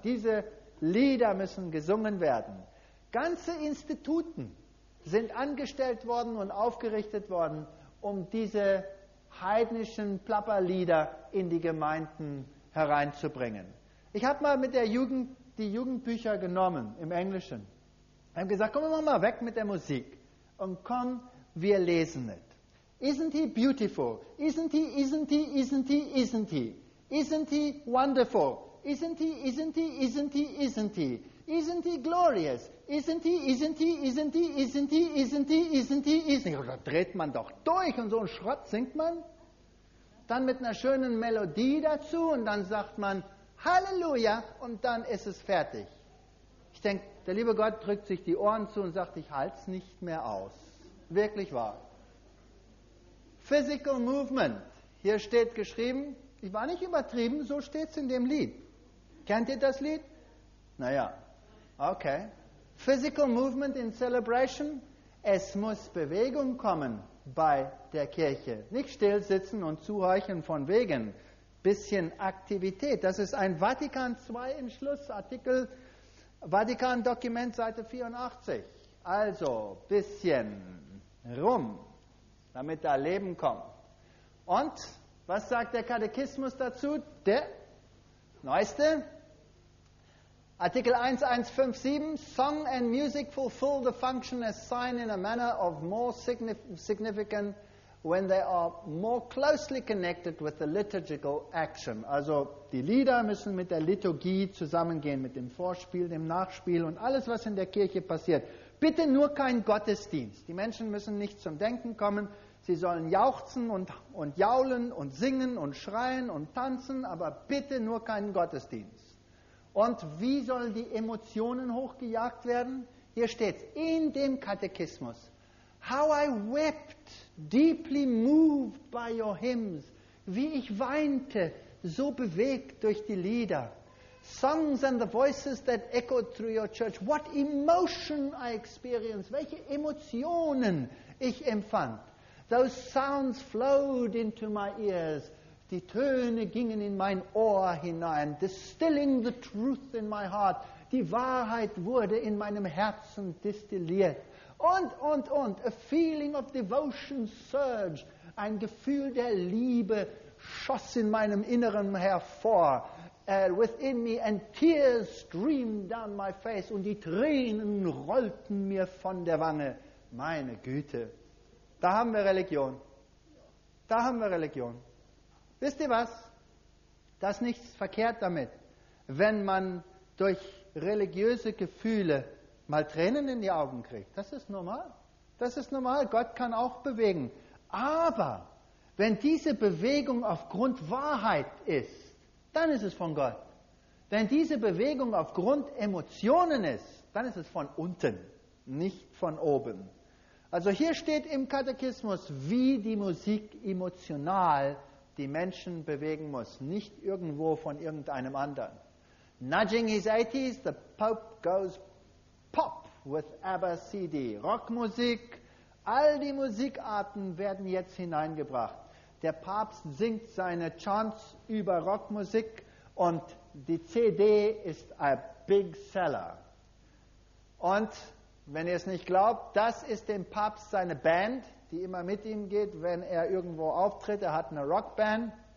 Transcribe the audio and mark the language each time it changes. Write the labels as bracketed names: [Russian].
[German] Diese Lieder müssen gesungen werden. Ganze Instituten sind angestellt worden und aufgerichtet worden, um diese heidnischen Plapperlieder in die Gemeinden hereinzubringen. Ich habe mal mit der Jugend die Jugendbücher genommen, im Englischen. Ich habe gesagt, komm mal weg mit der Musik und komm, wir lesen es. [English] Isn't he beautiful? Isn't he, isn't he, isn't he, isn't he? Isn't he wonderful? Isn't he, isn't he, isn't he, isn't he? Isn't he glorious? Isn't he, isn't he, isn't he, isn't he, isn't he, isn't he, isn't he? [German] Da dreht man doch durch und so einen Schrott singt man. Dann mit einer schönen Melodie dazu und dann sagt man Halleluja und dann ist es fertig. Ich denke, der liebe Gott drückt sich die Ohren zu und sagt, ich halte es nicht mehr aus. Wirklich wahr. Physical Movement. Hier steht geschrieben, ich war nicht übertrieben, so steht es in dem Lied. Kennt ihr das Lied? Naja, okay. [English] Physical Movement in Celebration. [German] Es muss Bewegung kommen bei der Kirche. Nicht still sitzen und zuhorchen von wegen. Bisschen Aktivität. Das ist ein Vatikan II Entschluss, Artikel, Vatikan Dokument, Seite 84. Also, bisschen rum, damit da Leben kommt. Und was sagt der Katechismus dazu? Der neueste? [English] Artikel 1157, Song and music fulfill the function assigned in a manner of more significant when they are more closely connected with the liturgical action. [German] Also die Lieder müssen mit der Liturgie zusammengehen, mit dem Vorspiel, dem Nachspiel und alles, was in der Kirche passiert. Bitte nur kein Gottesdienst. Die Menschen müssen nicht zum Denken kommen. Sie sollen jauchzen und jaulen und singen und schreien und tanzen, aber bitte nur keinen Gottesdienst. Und wie sollen die Emotionen hochgejagt werden? Hier steht es in dem Katechismus. [English] How I wept, deeply moved by your hymns. [German] Wie ich weinte, so bewegt durch die Lieder. [English] Songs and the voices that echoed through your church. What emotion I experienced. [German] Welche Emotionen ich empfand. [English] Those sounds flowed into my ears. [German] Die Töne gingen in mein Ohr hinein, [English] distilling the truth in my heart. [German] Die Wahrheit wurde in meinem Herzen distilliert. Und. [English] A feeling of devotion surged. [German] Ein Gefühl der Liebe schoss in meinem Inneren hervor. [English] Within me and tears streamed down my face. [German] Und die Tränen rollten mir von der Wange. Meine Güte. Da haben wir Religion. Da haben wir Religion. Wisst ihr was? Da ist nichts verkehrt damit, wenn man durch religiöse Gefühle mal Tränen in die Augen kriegt. Das ist normal. Das ist normal. Gott kann auch bewegen. Aber wenn diese Bewegung aufgrund Wahrheit ist, dann ist es von Gott. Wenn diese Bewegung aufgrund Emotionen ist, dann ist es von unten, nicht von oben. Also hier steht im Katechismus, wie die Musik emotional die Menschen bewegen muss, nicht irgendwo von irgendeinem anderen. [English] Nudging his 80s, the Pope goes pop with ABBA CD. [German] Rockmusik, all die Musikarten werden jetzt hineingebracht. Der Papst singt seine Chants über Rockmusik und die CD ist [English] a big seller. [German] Und wenn ihr es nicht glaubt, das ist dem Papst seine Band, die immer mit ihm geht, wenn er irgendwo auftritt. Er hat eine Rockband.